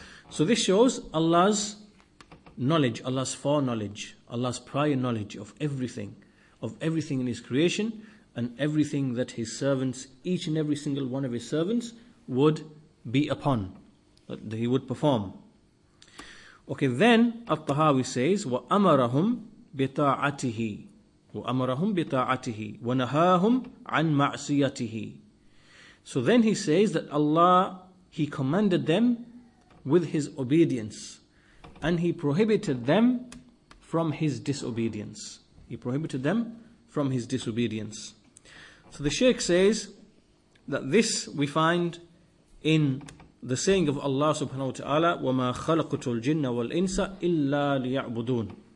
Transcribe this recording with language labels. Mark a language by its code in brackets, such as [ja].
[en] So this shows Allah's knowledge, Allah's foreknowledge, Allah's prior knowledge of everything in his creation and everything that his servants, each and every single one of his servants, would be upon, that he would perform. Okay, then At-Tahawi says, [ar] وَأَمَرَهُمْ بِطَاعَتِهِ وَأَمَرَهُمْ بِطَاعَتِهِ وَنَهَاهُمْ عَنْ مَعْصِيَتِهِ. [en] So then he says that Allah, he commanded them with his obedience, and he prohibited them from his disobedience. He prohibited them from his disobedience. So the Shaykh says that this we find in the saying of Allah subhanahu wa ta'ala, [ar] وَمَا خَلَقُتُ الْجِنَّ وَالْإِنسَ إِلَّا لِيَعْبُدُونَ,